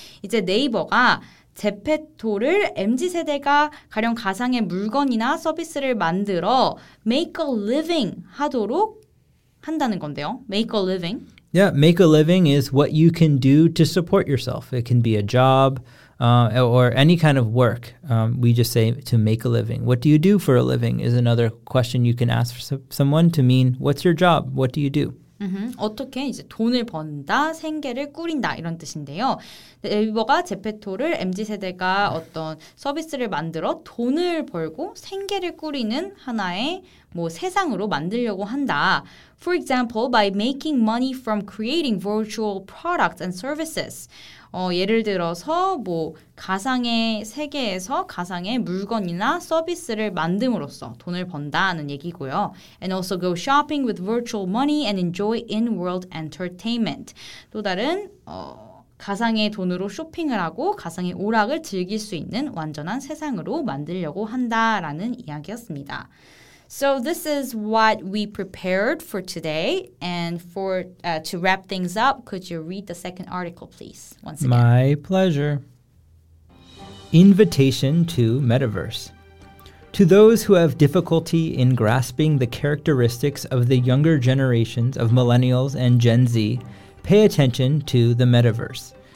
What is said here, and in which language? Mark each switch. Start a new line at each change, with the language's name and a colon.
Korean: 이제 네이버가 제페토를 MZ세대가 가령 가상의 물건이나 서비스를 만들어
English: make a living
Korean: 하도록 한다는 건데요.
English: Make a living. Yeah, make a living is what you can do to support yourself. It can be a job or any kind of work. We just say to make a living. What do you do for a living is another question you can ask someone to mean what's your job? What do you do? Mm-hmm.
Korean: 어떻게 이제 돈을 번다, 생계를 꾸린다 이런 뜻인데요. 네이버가 제페토를 MZ세대가 어떤 서비스를 만들어 돈을 벌고 생계를 꾸리는 하나의 뭐 세상으로 만들려고 한다.
English: For example, by making money from creating virtual products and services.
Korean: 예를 들어서 뭐 가상의 세계에서 가상의 물건이나 서비스를 만듦으로써 돈을 번다는 얘기고요.
English: And also go shopping with virtual money and enjoy in-world entertainment.
Korean: 또 다른 가상의 돈으로 쇼핑을 하고 가상의 오락을 즐길 수 있는 완전한 세상으로 만들려고 한다라는 이야기였습니다.
English: So this is what we prepared for today. And for to wrap things up, could you read the second article, please, once again? My pleasure. Invitation to Metaverse. To those who have difficulty in grasping the characteristics of the younger generations of millennials and Gen Z, pay attention to the Metaverse.